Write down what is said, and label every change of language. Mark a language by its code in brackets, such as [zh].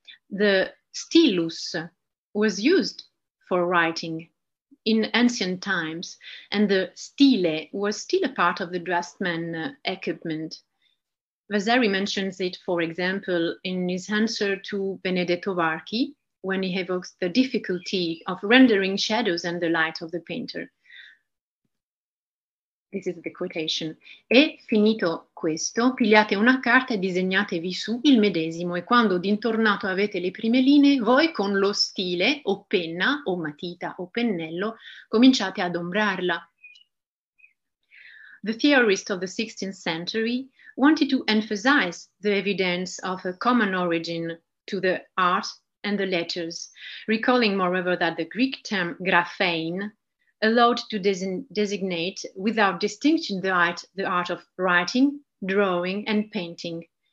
[en] The stylus was used for writing in ancient times, and the stile was still a part of the draftsman equipment. Vasari mentions it, for example, in his answer to Benedetto Varchi, when he evokes the difficulty of rendering shadows and the light of the painter. This is the quotation. [it] E finito questo, pigliate una carta e disegnatevi su il medesimo, e quando d'intornato avete le prime linee, voi con lo stile, o penna, o matita, o pennello, cominciate ad ombrarla. [en] The theorist of the 16th century wanted to emphasize the evidence of a common origin to the art and the letters, recalling moreover that the Greek term graphein allowed to designate without distinction the art of writing, drawing, and painting.